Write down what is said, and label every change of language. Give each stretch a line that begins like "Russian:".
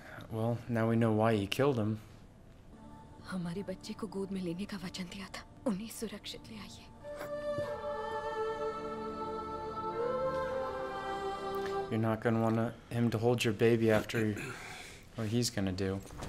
English: Well, now we know why he killed him.
Hindi: हमारे बच्चे को गोद में लेने का वचन दिया था. उन्हें सुरक्षित ले आइए.
English: You're not gonna want him to hold your baby after what he's gonna do.